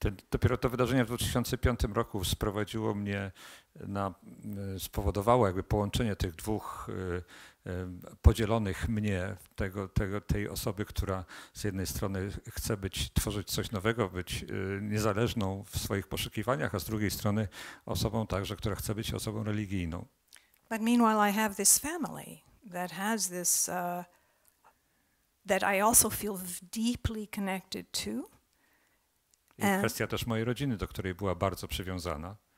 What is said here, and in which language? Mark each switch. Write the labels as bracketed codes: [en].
[pl] Dopiero to wydarzenie w 2005 roku sprowadziło mnie na, spowodowało jakby połączenie tych dwóch podzielonych mnie, tej osoby, która z jednej strony chce być, tworzyć coś nowego, być niezależną w swoich poszukiwaniach, a z drugiej strony osobą także, która chce być osobą religijną. [en] But meanwhile I have this family that has this, that I also feel deeply connected to. [pl] I kwestia też mojej rodziny, do której była bardzo przywiązana.